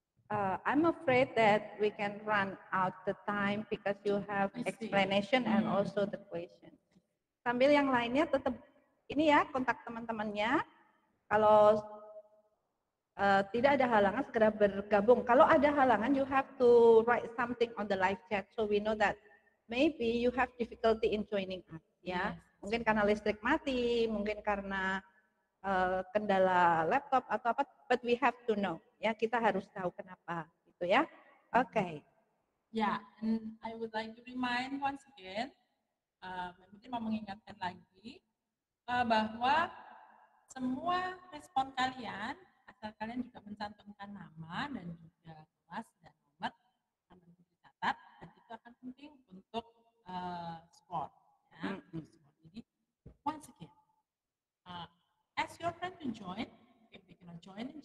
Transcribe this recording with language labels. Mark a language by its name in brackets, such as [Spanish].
[English] I'm afraid that we can run out the time because you have explanation and also the question. [Indonesian] Sambil yang lainnya tetap ini ya, kontak teman-temannya kalau tidak ada halangan, segera bergabung. Kalau ada halangan, [English] you have to write something on the live chat so we know that maybe you have difficulty in joining us. [Indonesian] Mungkin karena listrik mati, mungkin karena kendala laptop atau apa, [English] but we have to know. [Indonesian] Kita harus tahu kenapa. Gitu ya. Okay. [English] And I would like to remind once again, [Indonesian] mungkin mau mengingatkan lagi, bahwa semua respon kalian, kalian juga mencantumkan nama dan juga kelas dan nomor akan dicatat, dan itu akan penting untuk score. [English] Jadi once again, ask your friend to join if they cannot join.